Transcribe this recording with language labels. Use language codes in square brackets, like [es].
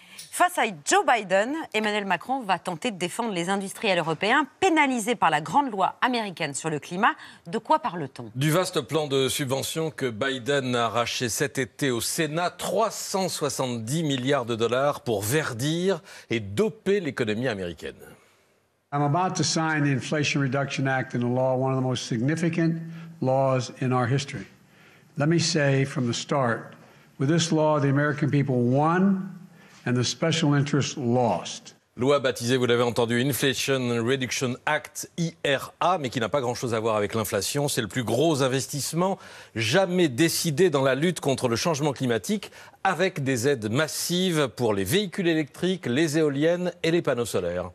[fr] Face à Joe Biden, Emmanuel Macron va tenter de défendre les industriels européens pénalisés par la grande loi américaine sur le climat. De quoi parle-t-on ? Du vaste plan de subvention que Biden a arraché cet été au Sénat, 370 milliards de dollars pour verdir et doper l'économie américaine. [en] I'm about to sign the Inflation Reduction Act into law, one of the most significant laws in our history. Let me say from the start, with this law, the American people won. And the special interest lost. [fr] Loi baptisée, vous l'avez entendu, Inflation Reduction Act, IRA, mais qui n'a pas grand-chose à voir avec l'inflation. C'est le plus gros investissement jamais décidé dans la lutte contre le changement climatique, avec des aides massives pour les véhicules électriques, les éoliennes et les panneaux solaires.